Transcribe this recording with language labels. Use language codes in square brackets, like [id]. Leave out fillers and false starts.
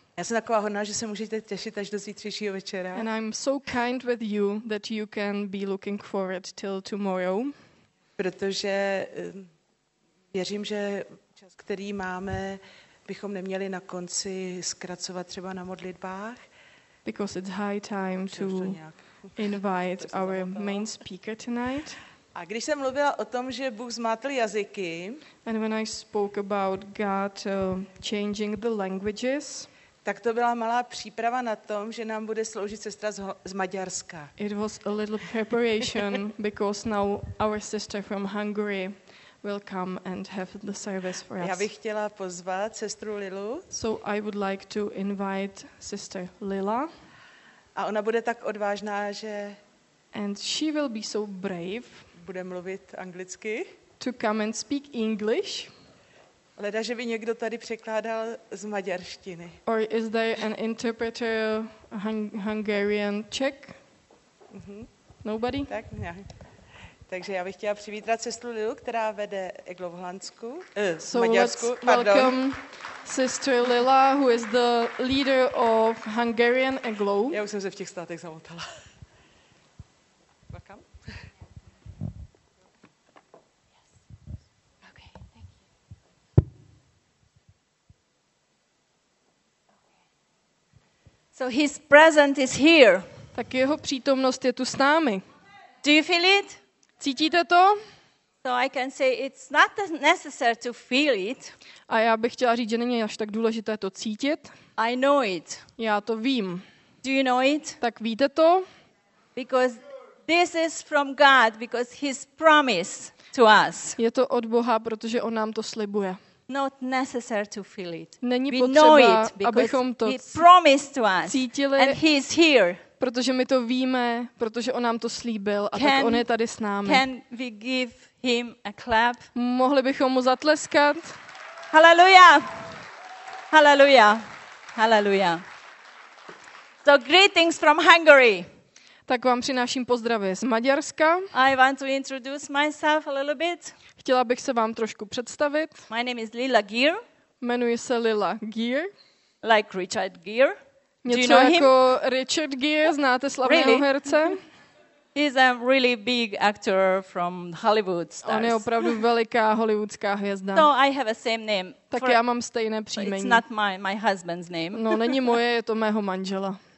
[cs] Já jsem taková hodná, že se můžete těšit až do zítřejšího večera. [en] And I'm so kind with you that you can be looking forward till tomorrow. [cs] Protože věřím, že čas, který máme, bychom neměli na konci zkracovat třeba na modlitbách. [en] Because it's high time to invite our main speaker tonight. [cs] A když jsem mluvila o tom, že Bůh zmátl jazyky. [en] And when I spoke about God changing the languages. [cs] Tak to byla malá příprava na tom, že nám bude sloužit sestra z Maďarska. [en] It was a little preparation because now our sister from Hungary will come and have the service for us. [cs] Já bych chtěla pozvat sestru Lilu. [en] So I would like to invite sister Lila. [cs] A ona bude tak odvážná, že [en] and she will be so brave. [cs] Bude mluvit anglicky. [en] To come and speak English. [cs] Leda, že by někdo tady překládal z maďarštiny. [en] Or is there an interpreter Hungarian Czech? Nobody? [cs] Tak, ne. Takže já bych chtěla přivítat sestru Lilu, která vede Eglo v Holandsku. Maďarsku, [en] let's welcome sister Lila, who is the leader of Hungarian Eglo. [cs] Já už jsem se v těch státech zamotala. [en] So his presence is here. [cs] Tak jeho přítomnost je tu s námi. [en] Do you feel it? [cs] Cítíte to? [en] So I can say it's not necessary to feel it. [cs] A já bych chtěla říct, že není až tak důležité to cítit. [en] I know it. [cs] Já to vím. [en] Do you know it? [cs] Tak víte to? [en] Because this is from God, because his promise to us. [cs] Je to od Boha, protože on nám to slibuje. [en] Not necessary to feel it. [cs] Není potřeba, abychom to cítili, [en] and he is here. [cs] Protože my to víme, protože on nám to slíbil a tak on je tady s námi. [en] Can we give him a clap? Mohli bychom mu zatleskat? Hallelujah! Hallelujah! Hallelujah! So greetings from Hungary. [cs] Tak vám přináším pozdravy z Maďarska. [en] I want to introduce myself a little bit. [cs] Chtěla bych se vám trošku představit. [en] My name is Lila Gear. [cs] Jmenuji se Lila Gear. [en] Like Richard Gear. [cs] Něco [en] you know [cs] jako [en] him? [cs] Richard Gear, znáte slavného [en] really? [cs] Herce? [en] He's a really big actor from Hollywood stars. [cs] On je opravdu veliká hollywoodská hvězda. [en] No, I have a same name. [cs] Tak for, já mám stejné příjmení. [en] It's not my husband's name. [cs] No, není moje, je to mého manžela.